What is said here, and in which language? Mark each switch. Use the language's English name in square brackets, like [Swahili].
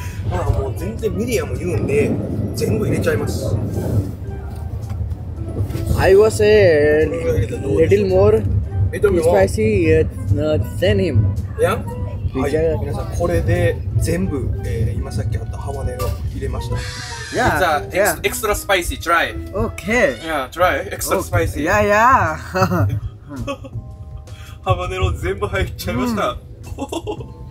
[Japanese] Well, もう全然ミディアム言うんで、全部入れちゃいます。 [English] I was a little more spicy than him. Yeah? [Japanese] はい、皆さん、これで全部、今さっきあったハバネロ入れました。 [English] Yeah, it's a extra spicy, try. Okay. Yeah, try, extra spicy. Okay. Yeah, yeah. [Japanese] ハバネロ全部入っちゃいました。